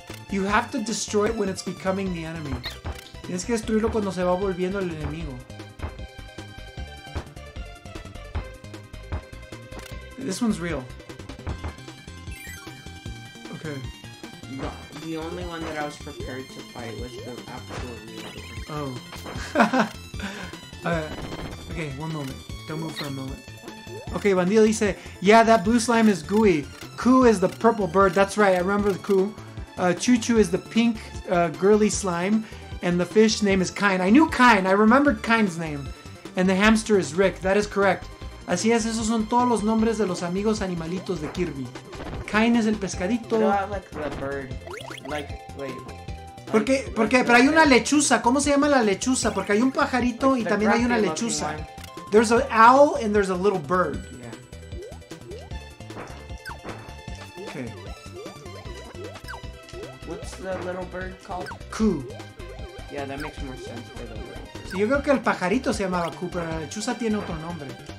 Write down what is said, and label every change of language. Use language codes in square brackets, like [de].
[en] You have to destroy it when it's becoming the enemy. [es] Tienes que destruirlo cuando se va volviendo el enemigo. [en] This one's real. Okay. The only one that I was prepared to fight was the actual real one. Oh. Okay, one moment. Don't move for a moment. Okay, Bandido dice, yeah, that blue slime is gooey. Koo is the purple bird. That's right, I remember the Koo. Choo Choo is the pink, girly slime. And the fish name is Kine. I knew Kine. I remembered Kine's name. And the hamster is Rick. That is correct. [es] Así es, esos son todos los nombres de los amigos animalitos de Kirby. Kine es el pescadito. [en] No, like the bird. Like, wait. [es] Porque, pero hay una lechuza. ¿Cómo se llama la lechuza? Porque hay un pajarito y también hay una lechuza. [en] There's an owl and there's a little bird. Yeah. Okay. What's the little bird called? Koo. Yeah, that makes more sense for the little [es] bird. Yo creo que el pajarito se llamaba Koo, pero la lechuza tiene otro nombre.